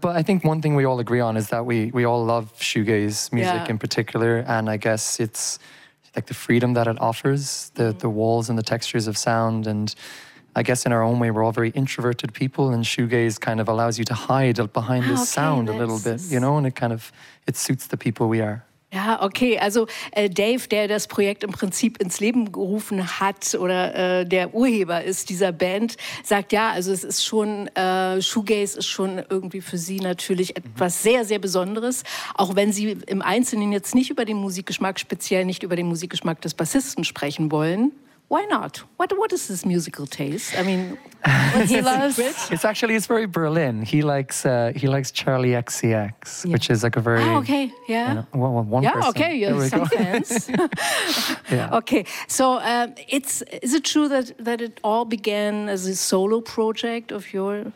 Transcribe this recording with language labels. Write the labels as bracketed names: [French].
[English] But I think one thing we all agree on is that we all love shoegaze music in particular, and I guess it's like the freedom that it offers, the walls and the textures of sound. And I guess in our own way, we're all very introverted people, and shoegaze kind of allows you to hide behind this sound a little bit, you know, and it suits the people we are. [German] Ja, okay. Also Dave, der das Projekt im Prinzip ins Leben gerufen hat oder der Urheber ist dieser Band, sagt ja, also es ist schon, Shoegaze ist schon irgendwie für Sie natürlich etwas sehr, sehr Besonderes, auch wenn Sie im Einzelnen jetzt nicht über den Musikgeschmack, speziell nicht über den Musikgeschmack des Bassisten sprechen wollen. [English] Why not? What is his musical taste? I mean, he loves. It's actually very Berlin. He likes Charlie XCX, which is like a very Okay, yeah, some fans. Okay, so is it true that it all began as a solo project of your life?